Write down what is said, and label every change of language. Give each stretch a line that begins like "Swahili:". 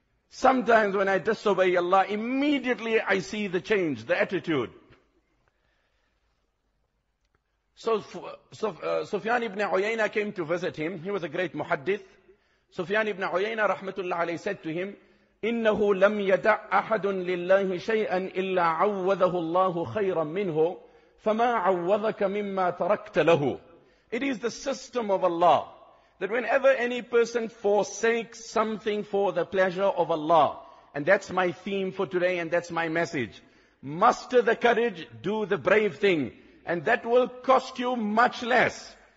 English: Sometimes when I disobey Allah, immediately I see the change, the attitude. So Sufyan ibn Uyayna came to visit him. He was a great muhaddith. Sufyan ibn Uyayna rahmatullah alayhi said to him,
Arabic: إنه لم يدع أحد لله شيئا إلا عوضه الله خيرا منه فما عوضك مما تركت له.
English: It is the system of Allah that whenever any person forsakes something for the pleasure of Allah, and that's my theme for today and that's my message, muster the courage, do the brave thing, and that will cost you much less.